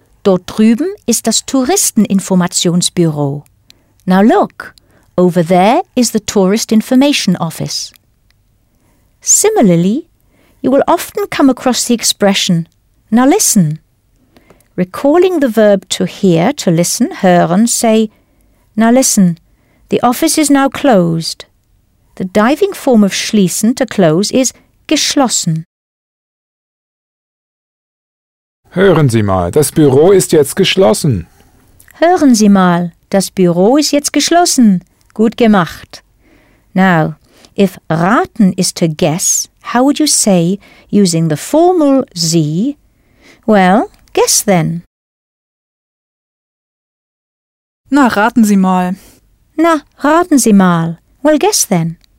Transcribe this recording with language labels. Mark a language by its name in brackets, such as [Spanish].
[German] Dort drüben ist das Touristeninformationsbüro. [English] Now look. Over there is the tourist information office. Similarly, you will often come across the expression, now listen. Recalling the verb to hear, to listen, hören, say, now listen. The office is now closed. The diving form of schließen, to close, is geschlossen. [German] Hören Sie mal, das Büro ist jetzt geschlossen. Hören Sie mal, das Büro ist jetzt geschlossen. Gut gemacht. [English] Now, if raten is to guess, how would you say, using the formal Sie, well, guess then. [German] Na, raten Sie mal. Na, raten Sie mal. [English] Well, guess then.